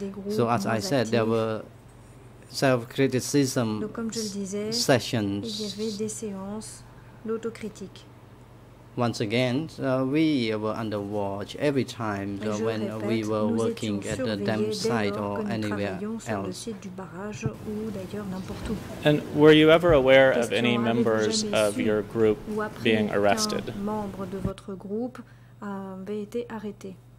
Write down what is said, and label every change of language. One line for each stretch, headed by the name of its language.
English: So as I said, there were self-criticism
French: donc, comme je le disais,
English: sessions.
French: Il y avait des séances d'autocritique.
English: Once again, we were under watch every time
French: répète,
English: when we were working at the dam site or anywhere else.
French: Sur le site du barrage, ou d'ailleurs n'importe où.
English: And were you ever aware of any members of your group being arrested?
French: Un membre de votre groupe avait été arrêté.